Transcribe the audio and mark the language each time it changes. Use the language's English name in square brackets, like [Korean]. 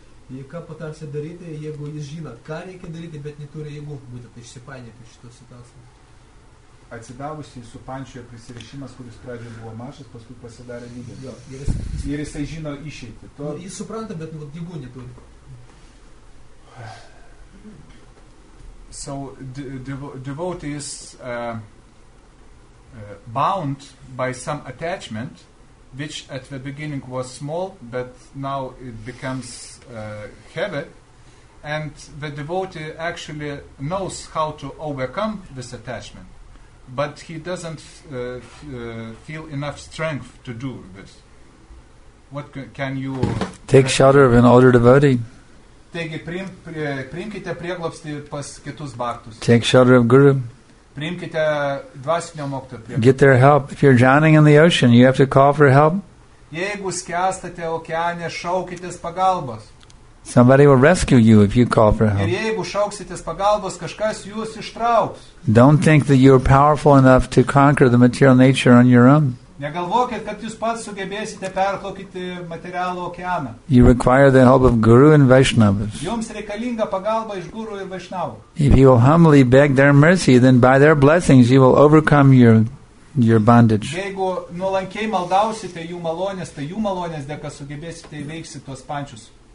[Lithuanian] Jei ką patarsi daryti, jeigu jis žino, ką reikia daryti, bet neturi jėgų būtent išsipainėti šito situaciją. Atsidavusi į supančioje prisireišimas, kuris pradžioje buvo mažas, paskui pasidarė didelį. Jo, ir jisai žino išeiti. To... Jis supranta, bet vat, jėgų neturi. [English] So, devotee is bound by some attachment, which at the beginning was small, but now it becomes heavy, and the devotee actually knows how to overcome this attachment, but he doesn't feel enough strength to do this. What can you... Take shelter of an older devotee. [Lithuanian] Taigi, priimkite prieglobstį pas kitus bhaktus. [English] Take shelter of guru. [Lithuanian] Priimkite dvasinio mokto prieglobstį. [English] Get their help. If you're drowning in the ocean, you have to call for help. [Lithuanian] Jeigu skęstate okeane, šaukitės pagalbos. [English] Somebody will rescue you if you call for help. [Lithuanian] Ir jeigu šauksitės pagalbos, kažkas jūs ištrauks. [English] Don't think that you're powerful enough to conquer the material nature on your own. [Lithuanian] Negalvokit, kad jūs pats sugebėsite perplaukti materialų okeaną. [English] You require the help of guru and vaishnavas. [Lithuanian] Jums reikalinga pagalba iš guru ir vaishnavų. [English] If you will humbly beg their mercy, then by their blessings you will overcome your bondage. [Lithuanian] Jeigu nuolankiai maldausite jų malonės, tai jų malonės dėka sugebėsite įveikti tuos pančius.